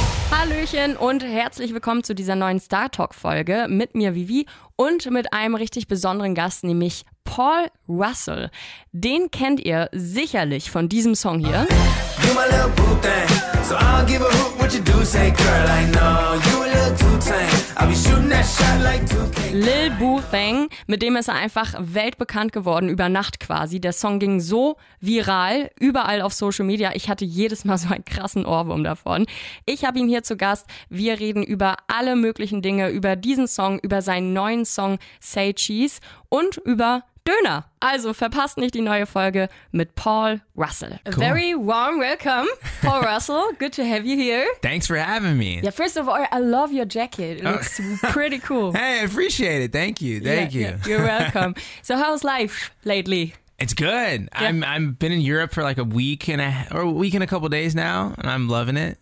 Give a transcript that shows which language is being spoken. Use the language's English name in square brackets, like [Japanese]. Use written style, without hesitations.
[German] Hallöchen und herzlich willkommen zu dieser neuen Star Talk Folge mit mir Vivi und mit einem richtig besonderen Gast, nämlich Paul Russell. Den kennt ihr sicherlich von diesem Song hier. [English] You my little boo thing, so I'll give a hoot what you do say, girl, I know. You a little too tame, I'll be shooting that shot like 2K. [German] Lil Boo Thang, mit dem ist er einfach weltbekannt geworden, über Nacht quasi. Der Song ging so viral, überall auf Social Media. Ich hatte jedes Mal so einen krassen Ohrwurm davon. Ich habe ihn hier zu Gast. Wir reden über alle möglichen Dinge, über diesen Song, über seinen neuen Song Say Cheese und über Döner. Also verpasst nicht die neue Folge mit Paul Russell. [English] Cool. A very warm welcome, Paul Russell. Good to have you here. Thanks for having me. Yeah, first of all, I love your jacket. It looks pretty cool. Hey, I appreciate it. Thank you. Yeah, you're welcome. So how's life lately? It's good. Yeah. I'm been in Europe for like a week and a couple days now, and I'm loving it.